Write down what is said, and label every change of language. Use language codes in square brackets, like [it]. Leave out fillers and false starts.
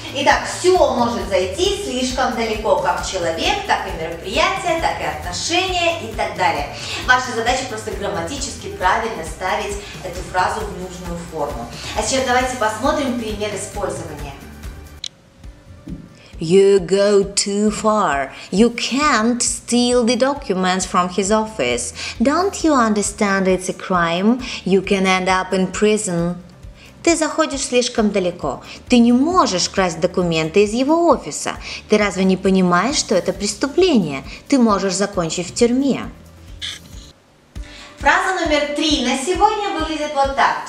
[ru] Итак, все может зайти слишком далеко, как человек, так и мероприятие, так и отношения и так далее. Ваша задача просто грамматически правильно ставить эту фразу в нужную форму. А сейчас давайте посмотрим пример использования. [en] You go too far. You can't steal the documents from his office. Don't you understand it's a crime? You can end up in prison. [ru] Ты заходишь слишком далеко. Ты не можешь красть документы из его офиса. Ты разве не понимаешь, что это преступление? Ты можешь закончить в тюрьме. Фраза номер 3 на сегодня выглядит вот так.